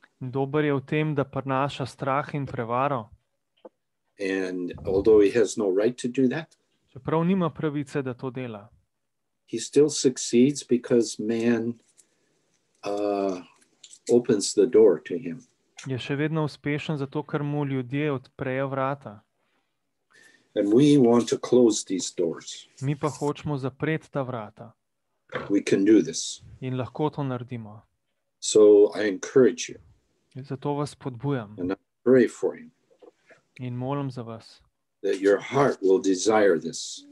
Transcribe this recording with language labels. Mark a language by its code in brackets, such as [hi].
[sl] Dober je v tem, da prinaša strah in prevaro. [en] And although he has no right to do that, [sl] čeprav nima pravice, da to dela, [en] he still succeeds because man opens the door to him. [sl] Je še vedno uspešen zato, ker mu ljudje odprejo vrata. [en] And we want to close these doors. [sl] Mi pa hočemo zapreti ta vrata. [en] We can do this. [sl] In lahko to naredimo. [en] So I encourage you. [sl] Zato vas spodbujam. [en] And I pray for you. [sl] In molim za vas. [en] That your heart will desire this.